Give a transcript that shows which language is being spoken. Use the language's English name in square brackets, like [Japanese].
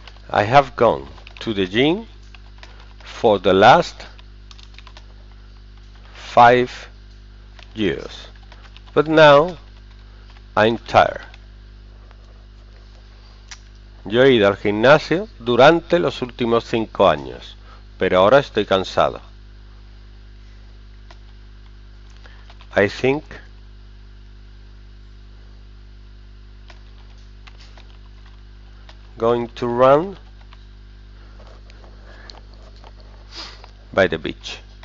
[English] I have gone to the gym for the last 5 years, but now I'm tired. [Spanish] Yo he ido al gimnasio durante los últimos 5 años, pero ahora estoy cansado. [English] I think going to run by the beach.